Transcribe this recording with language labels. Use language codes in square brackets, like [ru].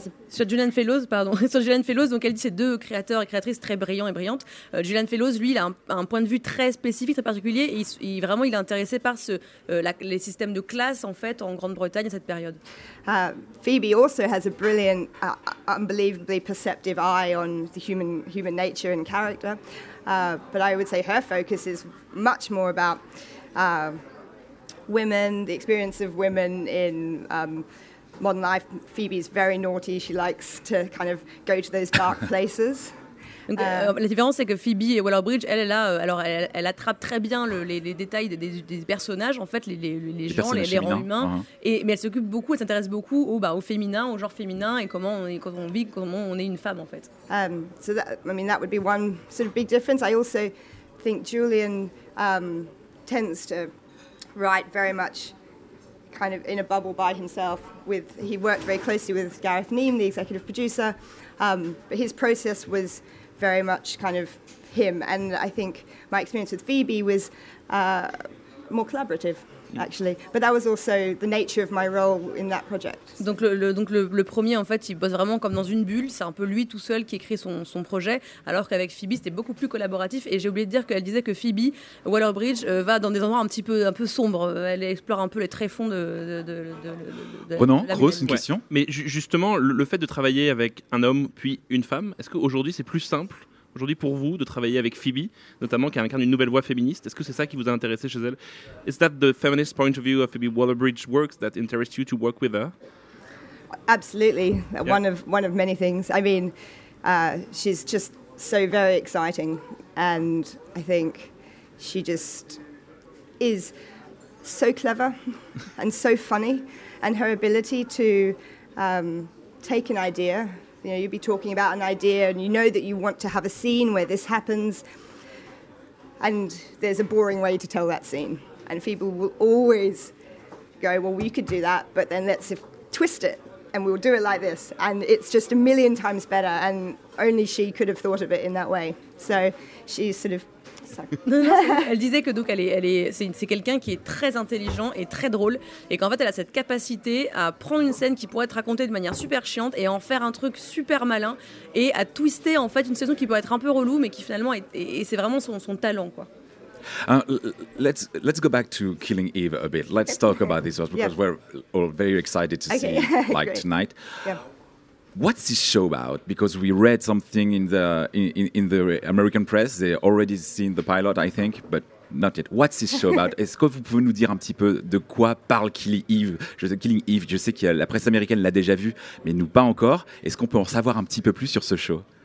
[fr] Sur Julian Fellowes, donc elle dit ces deux créateurs et créatrices très brillants et brillantes. Julian Fellowes, lui, il a un point de vue très spécifique, très particulier. Et il est intéressé par les systèmes de classe en fait en Grande-Bretagne à cette période. [en] Phoebe also has a brilliant, unbelievably perceptive eye on the human nature and character. But I would say her focus is much more about women, the experience of women in modern life. Phoebe's very naughty. She likes to kind of go to those dark places. [fr] Donc, la différence, c'est que Phoebe et Waller-Bridge, elle attrape très bien les détails des personnages, en fait, les gens, les rangs humains. Ouais. Mais elle s'occupe beaucoup, elle s'intéresse beaucoup au féminin, au genre féminin et comment on est une femme, en fait. [en] That would be one sort of big difference. I also think Julian tends to write very much kind of in a bubble by himself. He worked very closely with Gareth Neame, the executive producer, but his process was very much kind of him. And I think my experience with Phoebe was more collaborative, actually. But that was also the nature of my role in that project. [fr] Donc le premier, en fait, il bosse vraiment comme dans une bulle. C'est un peu lui tout seul qui écrit son projet, alors qu'avec Phoebe, c'était beaucoup plus collaboratif. Et j'ai oublié de dire qu'elle disait que Phoebe Waller-Bridge va dans des endroits un peu sombres. Elle explore un peu les tréfonds de Renan, Cros, une question. Ouais. Mais justement, le fait de travailler avec un homme puis une femme, est-ce qu'aujourd'hui, c'est plus simple aujourd'hui pour vous de travailler avec Phoebe, notamment qui incarne une nouvelle voix féministe? Est-ce que c'est ça qui vous a intéressé chez elle? [en] Is that the feminist point of view of Phoebe Waller-Bridge works that interests you to work with her? Absolutely. Yeah. One of many things. I mean, she's just so very exciting, and I think she just is so clever and so funny, and her ability to take an idea. You know, you'd be talking about an idea and you know that you want to have a scene where this happens and there's a boring way to tell that scene. And people will always go, well, we could do that, but then let's twist it and we'll do it like this. And it's just a million times better, and only she could have thought of it in that way. So she's sort of... [fr] Elle disait que donc c'est quelqu'un qui est très intelligent et très drôle, et qu'en fait elle a cette capacité à prendre une scène qui pourrait être racontée de manière super chiante et en faire un truc super malin et à twister en fait une saison qui peut être un peu relou, mais qui finalement et c'est vraiment son talent, quoi. [en] Let's go back to Killing Eve a bit. Let's talk about this because we're all very excited to see like tonight. Yeah. What's this show about? Because we read something in the American press. They already seen the pilot, I think, but not yet. What's this show about? [fr] Est-ce que vous pouvez nous dire un petit peu de quoi parle Killing Eve? Je sais que la presse américaine l'a déjà vu, mais nous pas encore. Est-ce qu'on peut en savoir un petit peu plus sur ce show?